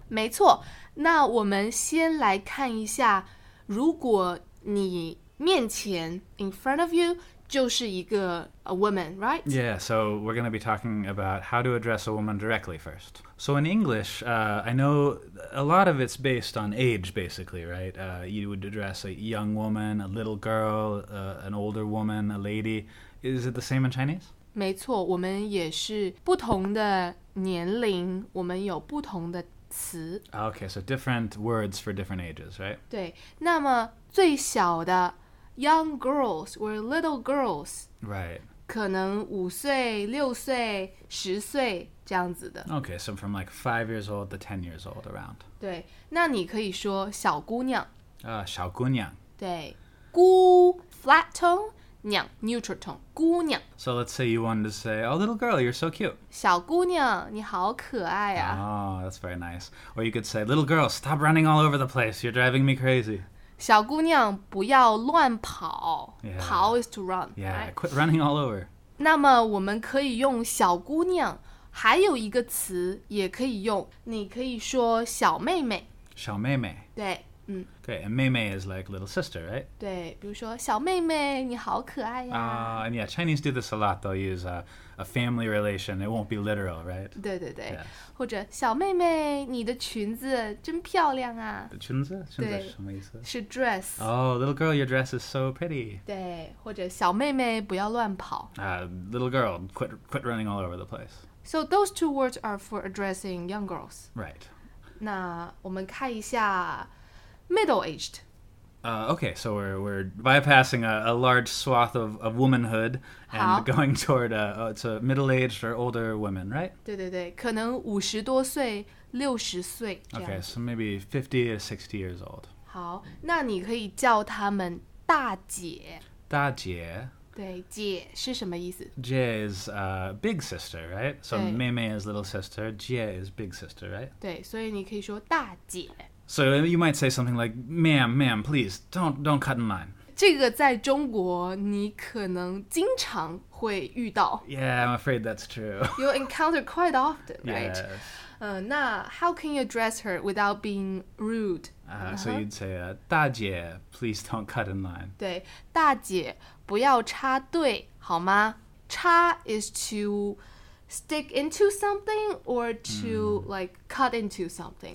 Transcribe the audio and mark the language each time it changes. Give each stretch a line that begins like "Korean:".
Chinese: 没错。那我们先来看一下如果你面前,
English: in front of you,
Chinese: 就是一个
English: a woman, right? Yeah, so we're going to be talking about how to address a woman directly first. So in English, I know a lot of it's based on age, basically, right? You would address a young woman, a little girl, an older woman, a lady. Is it the same in Chinese?
Chinese: 没错,我们也是不同的年龄,我们有不同的词。
English: Okay, so different words for different ages, right?
Chinese: 对,那么最小的
English: Young girls or little girls. Right.
Chinese: 可能五岁、六岁、十岁这样子的。
English: Okay, so from like 5 years old to 10 years old around.
Chinese: 对，那你可以说小姑娘。小姑娘。对，姑
English: flat tone,
Chinese: 娘
English: neutral tone,
Chinese: 姑娘。
English: So let's say you wanted to say, "Oh, little girl, you're so cute."
Chinese: 小姑娘，你好可爱啊。
English: Oh, that's very nice. Or you could say, "Little girl, stop running all over the place. You're driving me crazy."
Chinese: 小姑娘不要乱跑
English: yeah. 跑 is to run Yeah,、 right? quit running all over
Chinese: 那么我们可以用小姑娘还有一个词也可以用你可以说小妹妹小妹妹对、
English: Okay, and 妹妹 is like little sister, right?
Chinese: 对比如说小妹妹你好可爱呀、
English: And yeah, Chinese do this a lot They'll use a family relation It won't be literal, right?
Chinese: 对对对、
English: yeah.
Chinese: 或者小妹妹你的裙子真漂亮啊裙子裙子是什么意思是 dress
English: Oh, little girl, your dress is so pretty 对或者小妹妹不要乱跑、 Little girl, quit running all over the place So those two words are for addressing young girls Right
Chinese: 那我们看一下 middle-aged
English: Okay, so we're bypassing a large swath of womanhood and going toward to middle-aged or older women, right?
Chinese: 对对对，可能五十多岁，六十岁这样。
English: Okay, so maybe 50 to 60 years old.
Chinese: 好，那你可以叫他们大姐。大姐。对，姐是什么意思？
English: 姐 is big sister, right? So 妹妹 is little sister, 姐 is big sister, right?
Chinese: 对，所以你可以说大姐。
English: So you might say something like, ma'am, please, don't cut in line.
Chinese: 这个在中国你可能经常会遇到。
English: Yeah, I'm afraid that's true. You'll encounter quite often, right? Yes. 那 how can you address her without being rude? So you'd say, 大姐, please don't cut in line.
Chinese: 对,大姐,不要插队,好吗?
English: 插 is to... stick into something or to like cut into something.